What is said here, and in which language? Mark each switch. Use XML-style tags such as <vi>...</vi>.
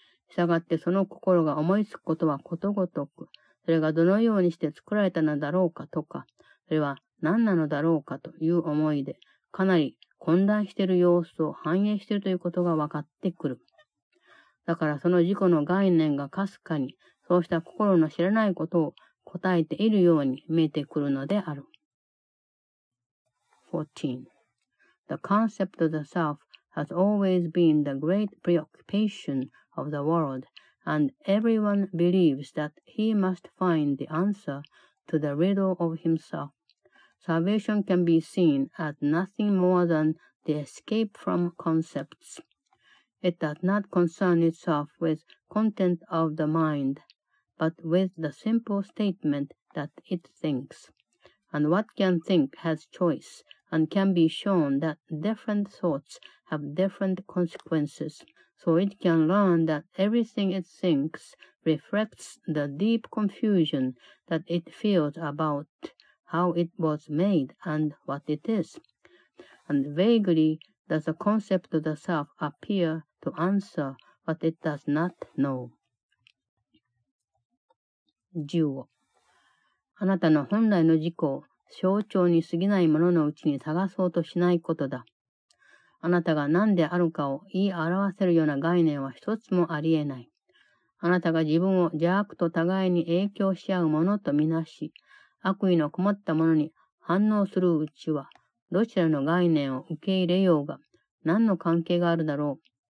<ja>したがってその心が思いつくことはことごとく、それがどのようにして作られたのだろうかとか、それは何なのだろうかという思いで、かなり混乱している様子を反映しているということが分かってくる。だからその自己の概念がかすかに、そうした心の知らないことを答えているように見えてくるのである。 14.</ja> <en>The concept of the self has always been the great preoccupation of the world, and everyone believes that he must find the answer to the riddle of himself. Salvation can be seen as nothing more than the escape from concepts. It does not concern itself with content of the mind, but with the simple statement that it thinks. And what can think has choice, and can be shown that different thoughts have different consequences, so it can learn that everything it thinks reflects the deep confusion that it feels about. How it was made and what it is. And vaguely does the concept of the self appear to answer what it does not know. 15.</en> <ja>あなたの本来の自己を象徴に過ぎないもののうちに探そうとしないことだ。あなたが何であるかを言い表せるような概念は一つもありえない。あなたが自分を邪悪と互いに影響し合うものとみなし、悪意のこもったものに反応するうちは、どちらの概念を受け入れようが、何の関係があるだろう。</ja>